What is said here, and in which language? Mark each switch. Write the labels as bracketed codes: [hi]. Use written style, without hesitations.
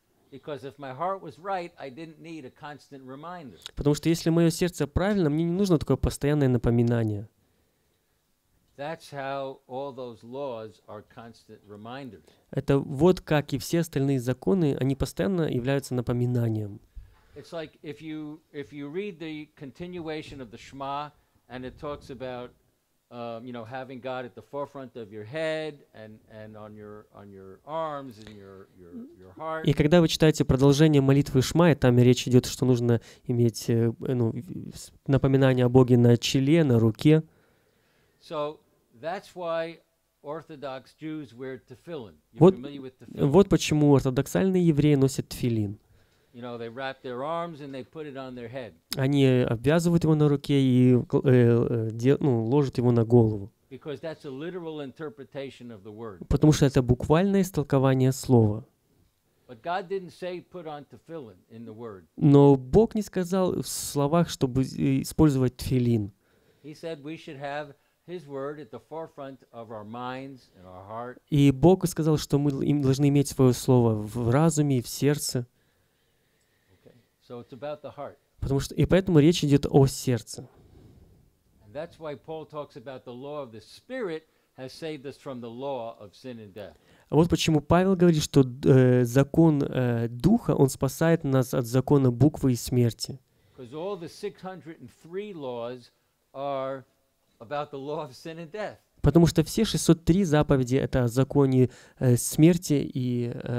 [en] Because if my heart was right, I didn't need a constant reminder. [ru] Потому что если мое сердце правильно, мне не нужно такое постоянное напоминание. [en] That's how all those laws are constant reminders. [ru] Это вот как и все остальные законы, они постоянно являются напоминанием. [en] It's like if you read the continuation of the Shema, and it talks about, you know, having God at the forefront of your head and on your arms and your heart. [ru] И когда вы читаете продолжение молитвы Шма, и там речь идет, что нужно иметь напоминание о Боге на челе, на руке. [en] So that's why Orthodox Jews wear tefillin. Familiar with tefillin? [ru] Вот почему ортодоксальные евреи носят тфилин. [en] You know, they wrap their arms and they put it on their head. [ru] Они обвязывают его на руке и ложат его на голову. [en] Because that's a literal interpretation of the word. [ru] Потому что это буквальное истолкование слова. [en] But God didn't say put on tefillin in the word. [ru] Но Бог не сказал в словах, чтобы использовать тфилин. [en] He said we should have His word at the forefront of our minds and our heart. [ru] И Бог сказал, что мы должны иметь свое слово в разуме и в сердце. [en] Okay. So it's about the heart. [ru] Потому что и поэтому речь идет о сердце. [en] And that's why Paul talks about the law of the Spirit has saved us from the law of sin and death. [ru] А вот почему Павел говорит, что закон духа он спасает нас от закона буквы и смерти. [en] Because all the 603 laws are about the law of sin and death. [ru] Потому что все 603 заповеди — это о законе смерти и